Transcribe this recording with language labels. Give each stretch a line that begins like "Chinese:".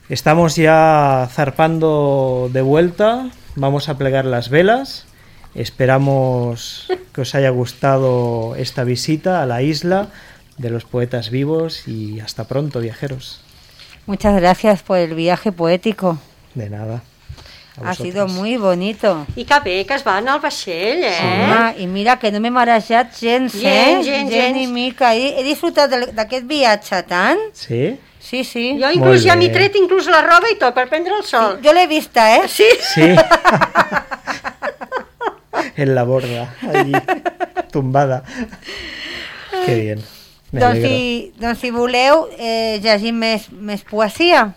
Spanish: Estamos ya zarpando de vuelta, vamos a plegar las velas. Esperamos que os haya gustado esta visita a la isla de los poetas vivos y hasta pronto, viajeros. Muchas gracias por el viaje poético. De nada. Ha sido muy bonito.
Catalan: I que bé que es va anar al vaixell, eh? Sí. Ah, i mira, que no m'he marejat gens, gens i mica. He disfrutat d'aquest viatge tant. Sí? Sí, sí. Jo inclús ja m'he tret inclús la roba i tot per prendre el sol. Sí, jo l'he vista, eh? Sí? Sí.
Spanish: En la borda, allí, tumbada. Que bien.
Catalan: Doncs si voleu, llegim més poesia.